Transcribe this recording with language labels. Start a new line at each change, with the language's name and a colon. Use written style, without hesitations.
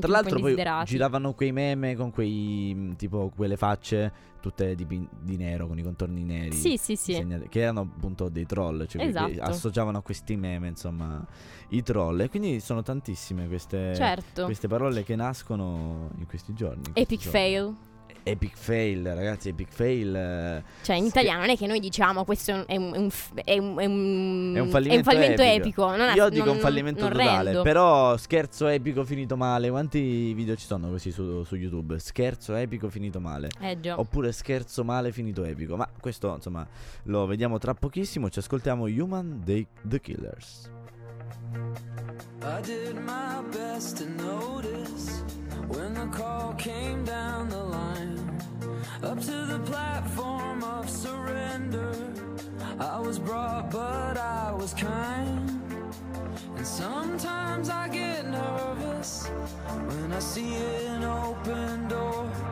Italian: Tra l'altro poi giravano quei meme con quei tipo quelle facce tutte di nero, con i contorni neri. Sì, sì, sì. Che erano appunto dei troll, cioè esatto. Che associavano a questi meme, insomma, i troll. E quindi sono tantissime queste, certo. Queste parole che nascono in questi giorni. In
English: epic fail. Epic fail, ragazzi, epic fail.
Italian: Cioè, in italiano non è che noi diciamo questo è un fallimento epico. Un fallimento totale. Però scherzo epico finito male. Quanti video ci sono così su YouTube? Scherzo epico finito male. Già. Oppure scherzo male finito epico. Ma questo, insomma, lo vediamo tra pochissimo. Ci ascoltiamo Human dei The Killers.
English: I did my best to notice when the call came down the line, up to the platform of surrender. I was brought, but I was kind. And sometimes I get nervous when I see an open door.